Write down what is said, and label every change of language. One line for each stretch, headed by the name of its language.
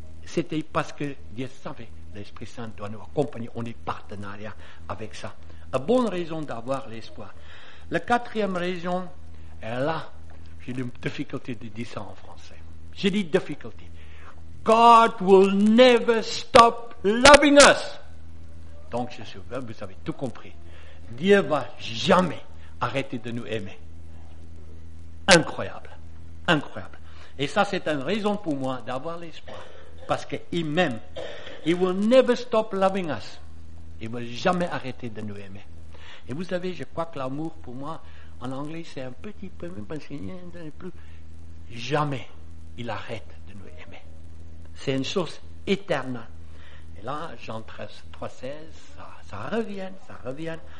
French: c'était parce que Dieu savait l'Esprit Saint doit nous accompagner. On est partenariat avec ça. Une bonne raison d'avoir l'espoir. La quatrième raison, et là, j'ai une difficulté de dire ça en français. J'ai dit difficulté.
English: God will never stop loving us.
French: Donc, je suis, vous avez tout compris. Dieu va jamais arrêter de nous aimer. Incroyable. Incroyable. Et ça, c'est une raison pour moi d'avoir l'espoir. Parce qu'il m'aime.
English: He will never stop loving us.
French: Il ne va jamais arrêter de nous aimer. Et vous savez, je crois que l'amour pour moi, en anglais, c'est un petit peu même parce qu'il n'y en a plus. Jamais il arrête de nous aimer. C'est une chose éternelle. Et là, Jean 3,16, ça revient.